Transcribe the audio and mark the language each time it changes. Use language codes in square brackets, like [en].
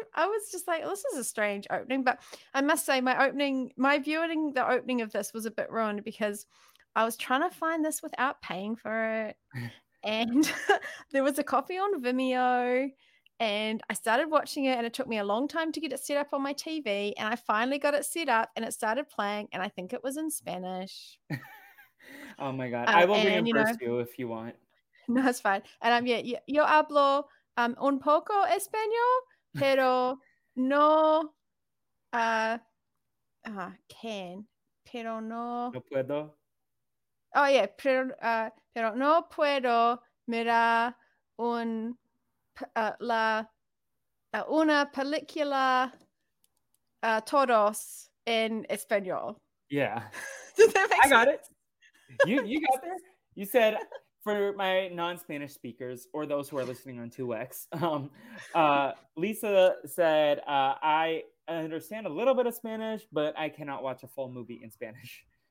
[en] I was just like, this is a strange opening. But I must say, the opening of this was a bit ruined, because I was trying to find this without paying for it, and there was a copy on Vimeo. And I started watching it, and it took me a long time to get it set up on my TV. And I finally got it set up and it started playing. And I think it was in Spanish. Oh my God. I will reimburse you if you want. No, it's fine. And I'm [es] yo hablo un poco español, pero no [en] can. [es] Pero no. No puedo. [en] Oh yeah. [es] Pero no puedo mirar un. Una película todos en español. [en] Yeah. Does that make sense? I got it. You got there. You said, for my non-Spanish speakers or those who are listening on 2X, Lisa said, I understand a little bit of Spanish, but I cannot watch a full movie in Spanish.